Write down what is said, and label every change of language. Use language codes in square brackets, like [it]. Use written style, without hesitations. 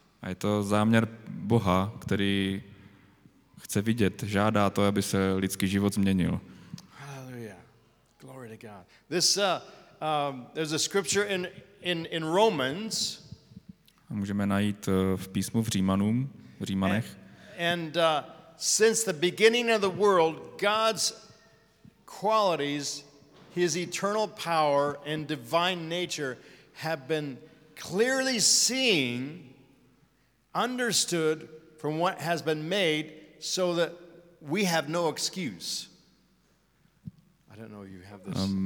[cs] A je to záměr Boha, který chce vidět, žádá to, aby se lidský život změnil. [en] Hallelujah. Glory to God. There's a scripture in Romans. [cs] A můžeme najít v písmu v Římanům, v Římanech. [en] And since the beginning of the world, God's qualities, his eternal power and divine nature have been clearly seen, understood from what has been made, so that we have no excuse. I don't know if you have this.